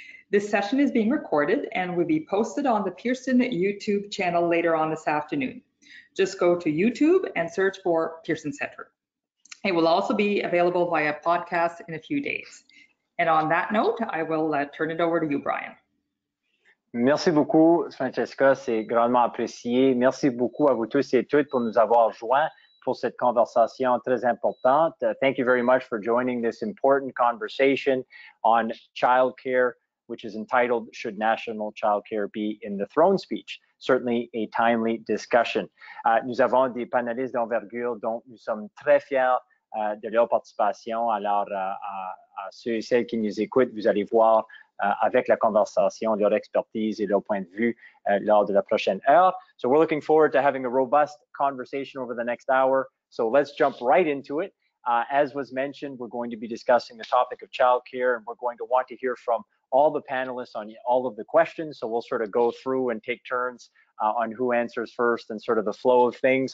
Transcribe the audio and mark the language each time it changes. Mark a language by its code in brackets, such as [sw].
[en] This session is being recorded and will be posted on the Pearson YouTube channel later on this afternoon. Just go to YouTube and search for Pearson Center. It will also be available via podcast in a few days. And on that note, I will turn it over to you, Brian. [fr] Merci beaucoup, Francesca. C'est grandement apprécié. Merci beaucoup à vous tous et toutes pour nous avoir joints pour cette conversation très importante. [en] Thank you very much for joining this important conversation on childcare, which is entitled Should National Childcare Be in the Throne Speech? Certainly a timely discussion. [fr] Nous avons des panélistes d'envergure dont nous sommes très fiers de leur participation. Alors, à ceux et celles qui nous écoutent, vous allez voir avec la conversation leur expertise et leur point de vue lors de la prochaine heure. [en] So we're looking forward to having a robust conversation over the next hour. So let's jump right into it. As was mentioned, we're going to be discussing the topic of childcare and we're going to want to hear from all the panelists on all of the questions. So we'll sort of go through and take turns on who answers first and sort of the flow of things.